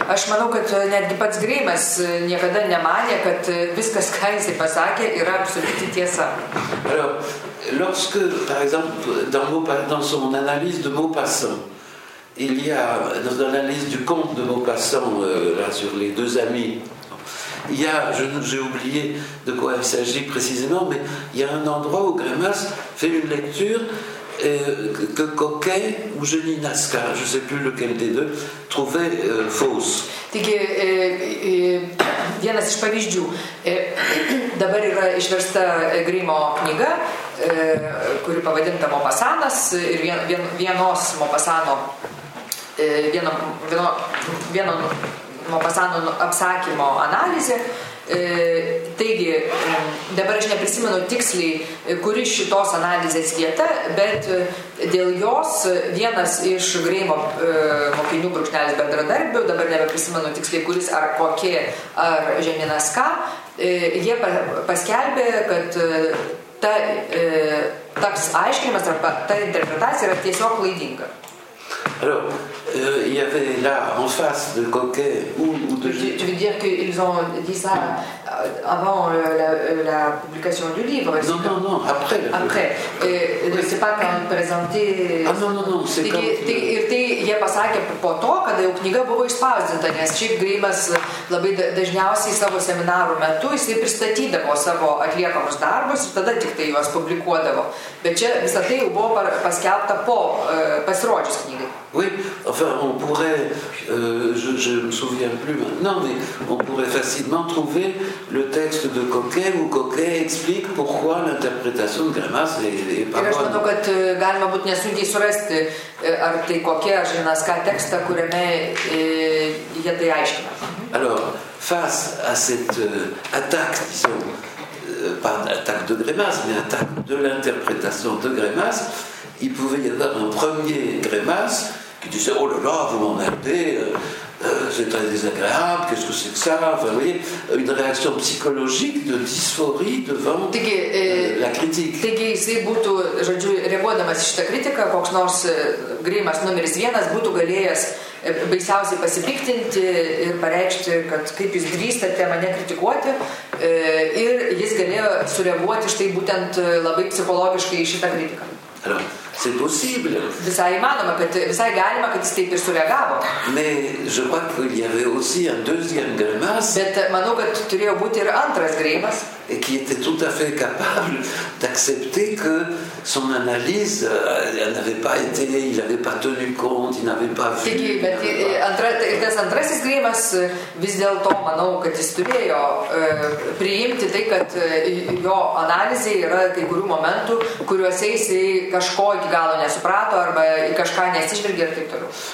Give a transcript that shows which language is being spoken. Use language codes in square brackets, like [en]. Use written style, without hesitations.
[lt] Aš manau, kad netgi pats Grimas niekada nemanė, kad viskas, ką jis pasakė, yra absoliuti tiesa. [fr] Alors, lorsque, par exemple, dans son analyse de Maupassant, il y a dans l'analyse du conte de Maupassant là sur les deux amis, il y a, j'ai oublié de quoi il s'agit précisément, mais il y a un endroit où Grémas fait une lecture que Coquet ou Jenny Nazca, je ne sais plus lequel des deux, trouvait fausse. [lt] Taigi, vienas iš pavyzdžių, dabar yra išversta Grimo knyga, kuri pavadinta Maupassantas, ir vienos Maupassanto vieno Maupassanto apsakymo analizė. Taigi, dabar aš neprisimenu tiksliai, kuri šitos analizės vieta, bet dėl jos vienas iš Greimo mokinių brūkšnelis bendradarbių, dabar neprisimenu tiksliai, kuris ar kokie, ar Žeminas ką, jie paskelbė, kad ta aiškinimas, ta interpretacija yra tiesiog klaidinga. [fr] Alors, Il y avait là, en face de Coquet, ou de... Tu veux dire qu'ils ont dit ça avant la publication du livre? Non, après. Après. Oui. C'est pas quand présenté... Ah non, c'est quand... [lt] Tai jie pasakė po to, kad jau knyga buvo išspausdinta, nes šiaip Grimas labai dažniausiai savo seminarų metu jisai pristatydavo savo atliekamus darbus ir tada tik tai juos publikuodavo. Bet čia visą tai jau buvo paskelbta po pasirodžius knygai. [fr] Oui, enfin, on pourrait, je me souviens plus maintenant, mais on pourrait facilement trouver le texte de Coquet où Coquet explique pourquoi l'interprétation de Grimas est pas bonne. Et je pense que [lt] galima būti nesunkiai surasti, ar tai Coquet, ar žinas ką tekstą, kuriame jie tai aiškina. [fr] Alors, face à cette attaque, disons, pas attaque de Grimas, mais attaque de l'interprétation de Grimas, il pouvait y avoir un premier Grimas qui disait « Oh là là, vous m'emmerdez, c'est très désagréable, qu'est-ce que c'est que ça ?» Enfin, vous voyez, une réaction psychologique de dysphorie devant la critique. [lt] Taigi, jisai būtų, žodžiu, reaguodamas į šitą kritiką, koks nors Grimas numeris vienas būtų galėjęs baisiausiai pasipiktinti ir pareikšti, kad kaip jūs drįstate mane kritikuoti, ir jis galėjo sureaguoti štai būtent labai psichologiškai į šitą kritiką. [fr] Alors, c'est possible. [lt] Visai galima, kad jis taip ir sureagavo. [fr] Mais je crois qu'il y avait aussi un deuxième Grimas. [lt] Bet manau, kad turėjo būti ir antras Grimas. [fr] Et qui était tout à fait capable d'accepter que son analyse n'avait pas été, il n'avait pas tenu compte, il n'avait pas vu. [lt] Taigi, bet tas antrasis Grimas vis dėlto, manau, kad jis turėjo priimti tai, kad jo analizė yra kai kurių momentų, kuriuose jisai kažko iki galo nesuprato arba kažką nesižvelgė ir taip toliau.